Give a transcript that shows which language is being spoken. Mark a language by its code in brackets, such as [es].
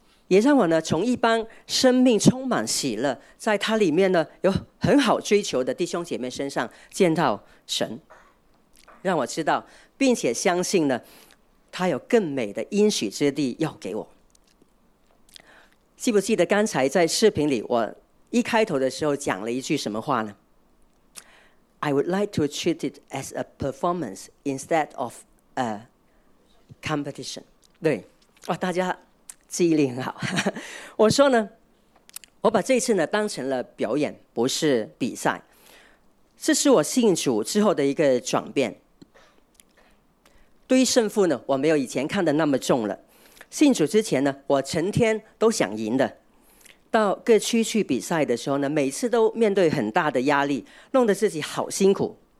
[zh] 也让我呢从一般生命充满喜乐，在他里面呢有很好追求的弟兄姐妹身上见到神，让我知道并且相信呢他有更美的应许之地要给我。记不记得刚才在视频里我一开头的时候讲了一句什么话呢？ [en] I would like to treat it as a performance instead of a competition。 [zh] 对，哇，大家记忆力很好。我说呢，我把这次呢当成了表演，不是比赛。这是我信主之后的一个转变。对于胜负呢，我没有以前看得那么重了。信主之前呢，我成天都想赢的。到各区去比赛的时候呢，每次都面对很大的压力，弄得自己好辛苦。